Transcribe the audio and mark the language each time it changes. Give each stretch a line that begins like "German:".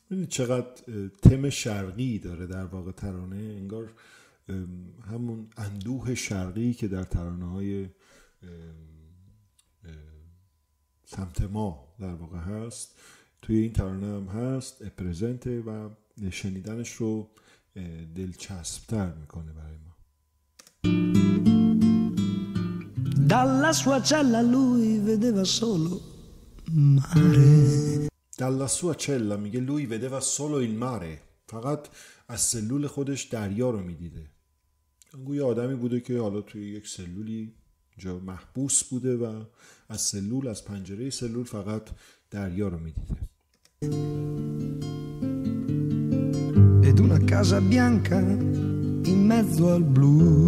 Persian: چقدر تم شرقی داره در واقع ترانه، انگار همون اندوه شرقی که در ترانه‌های سمت ما در واقع هست توی این ترانه هم هست، اپرزنته و شنیدنش رو دلچسب‌تر میکنه برای ما.
Italian: dalla sua cella lui vedeva solo mare. dalla sua cella
Persian: میگه
Italian: lui vedeva solo il mare،
Persian: فقط از سلول خودش دریا رو میدیده. گویا آدمی بوده که حالا توی یک سلولی جا محبوس بوده و از سلول، از پنجره سلول فقط دریا رو میدیده.
Italian: ed una casa bianca in mezzo al blu.